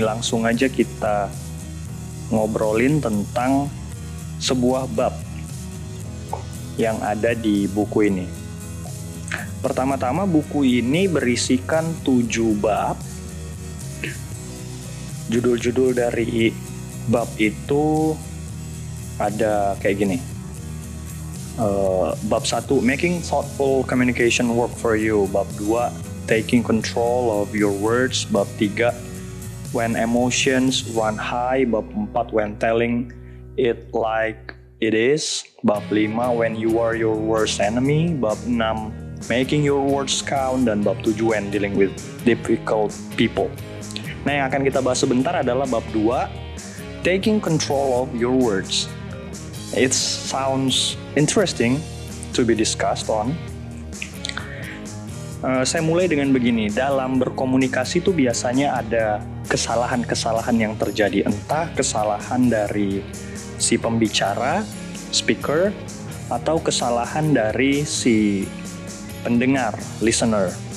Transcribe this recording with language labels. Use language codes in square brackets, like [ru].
[id] Langsung aja kita ngobrolin tentang sebuah bab yang ada di buku ini. Pertama-tama buku ini berisikan 7 bab. Judul-judul dari bab itu ada kayak gini. Bab 1, Making Thoughtful Communication Work For You. Bab 2, Taking Control of Your Words. Bab 3, When Emotions Run High. Bab 4, When Telling It Like It Is. Bab 5, When You Are Your Worst Enemy. Bab 6, Making Your Words Count. Dan bab 7, When Dealing With Difficult People. Nah, yang akan kita bahas sebentar adalah bab 2, Taking Control of Your Words. [en] It sounds interesting to be discussed on. [id] Saya mulai dengan begini, dalam berkomunikasi itu biasanya ada kesalahan-kesalahan yang terjadi. Entah kesalahan dari si pembicara, speaker, atau kesalahan dari si pendengar, listener.